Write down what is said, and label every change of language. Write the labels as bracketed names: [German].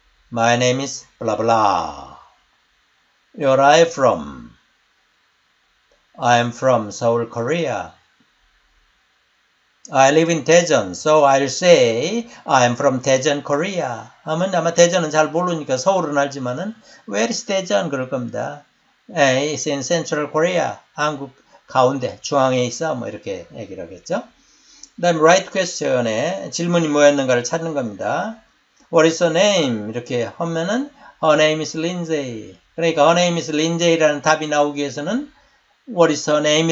[English] My name is blah blah. Where are you from? I am from Seoul, Korea. I live in Daejeon, so I'll say I'm from Daejeon, Korea. [Korean] 하면 아마 대전은 잘 모르니까 서울은 알지만은 [English] Where is Daejeon? [Korean] 그럴 겁니다. [English] It's in Central Korea. [Korean] 한국 가운데, 중앙에 있어. 뭐 이렇게 얘기를 하겠죠. 그 다음 Right question에 질문이 뭐였는가를 찾는 겁니다. [English] What is her name? [Korean] 이렇게 하면은 [English] Her name is Lindsay. 그러니까 Her name is Lindsay라는 [Korean] 답이 나오기 위해서는 [English] What is her name?